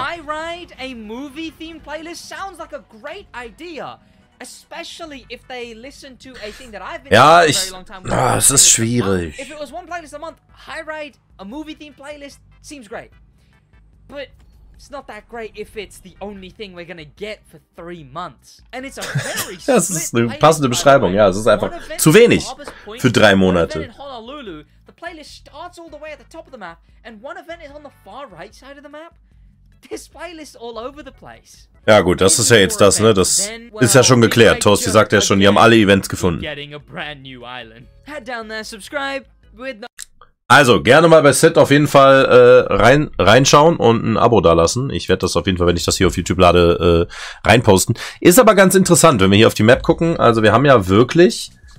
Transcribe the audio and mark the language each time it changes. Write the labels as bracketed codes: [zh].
[en] High Ride, a movie theme playlist, sounds like a great idea. Especially if they listen to a thing that I've been ja, doing [de] ich, [en] for a very long time. [de] Ah, es ist schwierig. [en] If it was one playlist a month, High Ride, a movie theme playlist, seems great. But it's not that great if it's the only thing we're gonna get for 3 months. And it's a very [de] das ist eine passende Beschreibung, ja, es ist einfach zu wenig für 3 Monate. [en] The playlist starts all the way at the top of the map, and one event is on the far right side of the map. This playlist all over the place. [de] Ja gut, das ist ja jetzt das, ne? Das ist ja schon geklärt. Torsti sagt ja schon, die haben alle Events gefunden. [en] Getting a brand new island. Head down there, subscribe with no. [de] Also, gerne mal bei Sid auf jeden Fall reinschauen und ein Abo dalassen. Ich werde das auf jeden Fall, wenn ich das hier auf YouTube lade, reinposten. Ist aber ganz interessant, wenn wir hier auf die Map gucken. Also, wir haben ja wirklich